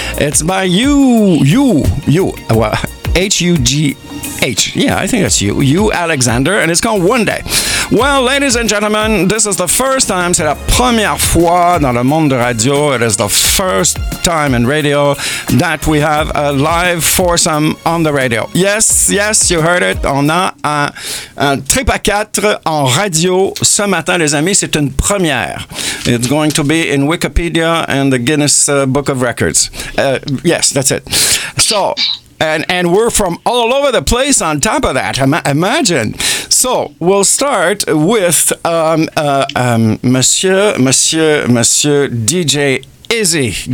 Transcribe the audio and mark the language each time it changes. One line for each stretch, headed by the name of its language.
English: It's by you. Well, H-U-G-H. Yeah, I think that's you. You, Alexander. And it's called One Day. Well, ladies and gentlemen, this is the first time,
French: c'est la première fois dans le monde de radio.
English: It is the first time in radio that we have a live foursome on the radio. Yes, yes, you heard it.
French: On a un trip à quatre en radio ce matin, les amis. C'est une première.
English: It's going to be in Wikipedia and the Guinness Book of Records. Yes, that's it. So... And we're from all over the place on top of that. Imagine. So we'll start with Monsieur DJ Izzy.